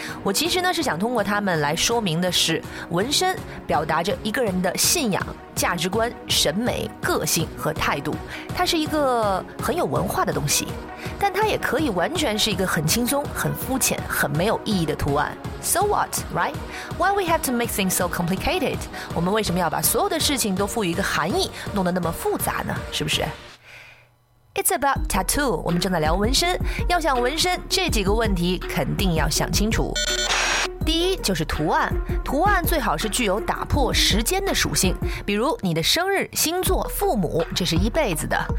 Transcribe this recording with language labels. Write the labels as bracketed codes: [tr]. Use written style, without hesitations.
[zh] 我其实呢是想通过他们来说明的是，纹身表达着一个人的信仰、价值观、审美、个性和态度，它是一个很有文化的东西，但它也可以完全是一个很轻松、很肤浅、很没有意义的图案。 [en] So what, right? Why we have to make things so complicated? [zh] 我们为什么要把所有的事情都赋予一个含义，弄得那么复杂呢？是不是？ [en] It's about tattoo. [zh] 我们正在聊纹身，要想纹身，这几个问题肯定要想清楚。第一就是图案，图案最好是具有打破时间的属性，比如你的生日、星座、父母，这是一辈子的。